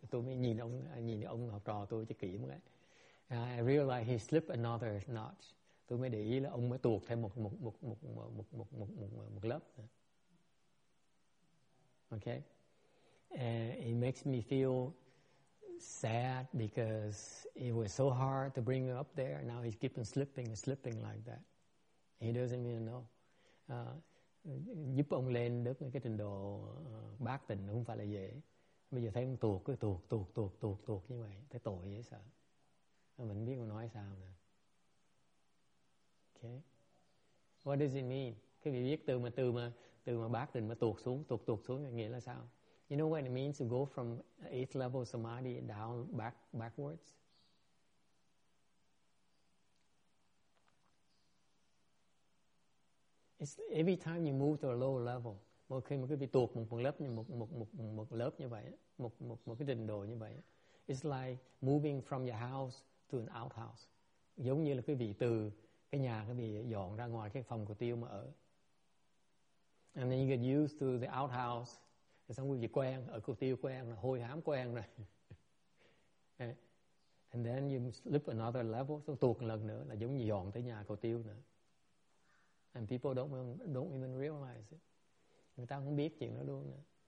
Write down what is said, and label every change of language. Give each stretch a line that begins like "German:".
Vietnamese: Tôi mới nhìn ông học trò tôi cho kỹ một cái.
English: I realized he slipped another notch.
Vietnamese: Tôi mới để ý là ông mới tuột thêm một lớp.
English: Okay, and it makes me feel sad because it was so hard to bring him up there. Now he's keeping slipping and slipping like that. He doesn't even know.
Vietnamese: Giúp ông lên được cái trình độ bát tịnh không phải là dễ. Bây giờ thấy ông tuột, cứ tuột, tuột, tuột, tuột, tuột như vậy. Thấy tội dễ sợ. Mình biết ông nói sao nè.
English: Okay. What does it mean?
Vietnamese: Cái vị biết từ mà bát tịnh mà tuột xuống, tuột, tuột xuống nghĩa là sao?
English: You know what it means to go from eighth level samadhi down backwards? It's every time you move to a lower level,
Vietnamese: một khi mà quý vị tuột một lớp như vậy, một cái trình độ như vậy,
English: it's like moving from your house to an outhouse.
Vietnamese: Giống như là quý vị từ cái nhà quý vị dọn ra ngoài cái phòng của tiêu mà ở.
English: And then you get used to the outhouse,
Vietnamese: rồi xong quý vị quen, ở của tiêu quen, hôi hám quen rồi.
English: And then you slip another level,
Vietnamese: xong tuột lần nữa là giống như dọn tới nhà của tiêu nữa.
English: And people don't even realize it.
Vietnamese: Người ta không biết chuyện đó luôn nữa.